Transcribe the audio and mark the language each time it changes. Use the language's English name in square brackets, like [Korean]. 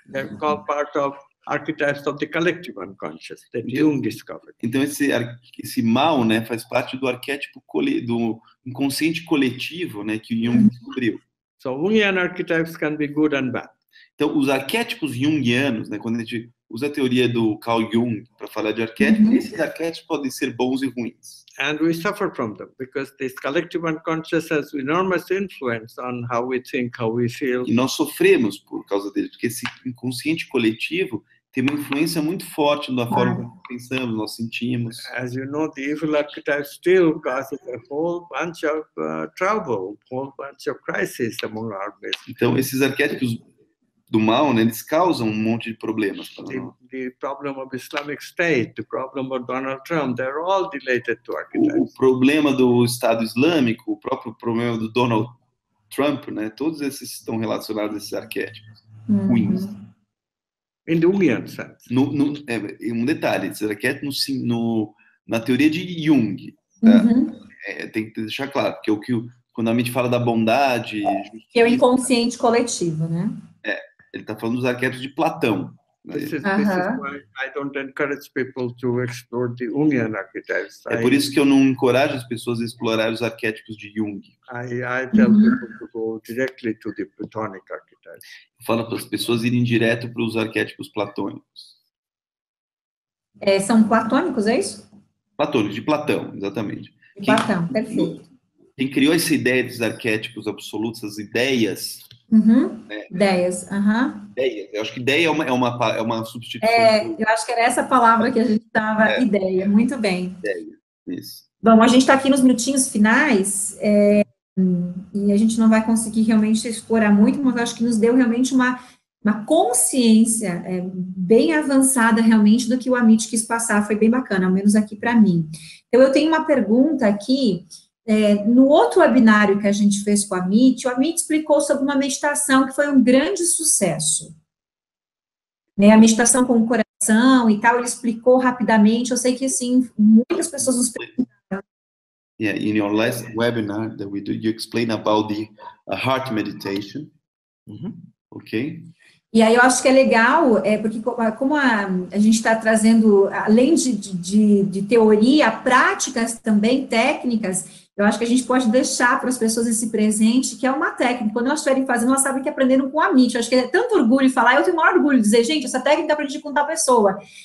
[English] They're called part of archetypes of the collective unconscious that Jung discovered. [Portuguese] Então esse mal, né, faz parte do arquétipo do inconsciente coletivo, né, que Jung descobriu. [English] So Jungian archetypes can be good and bad. [Portuguese] Então os arquétipos jungianos, né, quando a gente usa a teoria do Carl Jung para falar de arquétipos, esses arquétipos podem ser bons e ruins. [English] And we suffer from them because this collective unconscious has enormous influence on how we think, how we feel. [Portuguese] E nós sofremos por causa deles, porque esse inconsciente coletivo tem uma influência muito forte na forma como pensamos, nós sentimos. [English] As you know, the evil archetype still causes a whole bunch of trouble, whole bunch of crisis among our race. [Portuguese] Então esses arquétipos do mal, né, eles causam um monte de problemas para nós. [English] The problem of Islamic State, the problem of Donald Trump, they're all related to archetypes. [Portuguese] O problema do Estado Islâmico, o próprio problema do Donald Trump, né, todos esses estão relacionados a esses arquétipos ruins. [English] In the Jungian sense. [Portuguese] Um detalhe, esses arquétipos na teoria de Jung. Tá? Uh-huh. Tem que deixar claro, porque quando a mente fala da bondade... Que é o inconsciente coletivo, né? Ele está falando dos arquétipos de Platão. [English] This is why I don't encourage people to explore the Jungian archetypes. [Portuguese] É por isso que eu não encorajo as pessoas a explorar os arquétipos de Jung. [English] I tell people to go directly to the Platonic archetypes. [Portuguese] Fala para as pessoas irem direto para os arquétipos platônicos. É, são platônicos, é isso? Platônicos, de Platão, exatamente. Platão, perfeito. Quem criou essa ideia dos arquétipos absolutos, as ideias... Ideias. Eu acho que ideia é uma substituição. É, eu acho que era essa palavra que a gente estava. Ideia, muito bem. Ideia, isso. Bom, a gente está aqui nos minutinhos finais e a gente não vai conseguir realmente explorar muito, mas acho que nos deu realmente uma consciência bem avançada realmente do que o Amit quis passar, foi bem bacana, ao menos aqui para mim. Então, eu tenho uma pergunta aqui. No outro webinário que a gente fez com o Amit explicou sobre uma meditação que foi um grande sucesso. Né, a meditação com o coração e tal, ele explicou rapidamente. Eu sei que, assim, muitas pessoas nos perguntaram. [English] Yeah, in your last webinar that we did, you explained about the heart meditation. Uh-huh. Ok. [Portuguese] E aí eu acho que é legal, porque como a gente está trazendo, além de teoria, práticas também, técnicas, eu acho que a gente pode deixar para as pessoas esse presente, que é uma técnica. Quando elas estiverem fazendo, elas sabem que aprenderam com a Amit. Eu acho que é tanto orgulho falar, eu tenho maior orgulho de dizer, gente, essa técnica eu aprendi com tal pessoa.